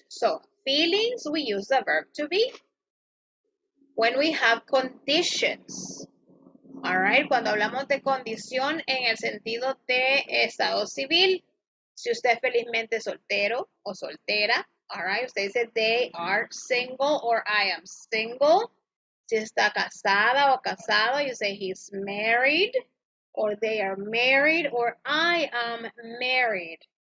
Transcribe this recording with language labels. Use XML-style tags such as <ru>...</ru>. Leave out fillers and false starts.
<en>So, feelings, we use the verb to be. When we have conditions. All right?</en> <es>Cuando hablamos de condición en el sentido de estado civil, si usted es felizmente soltero o soltera, all right? Usted dice,</es> <en>they are single or I am single.</en> <es>Si está casada o casado,</es> <en>you say, he's married. Or they are married, or I am married.</en>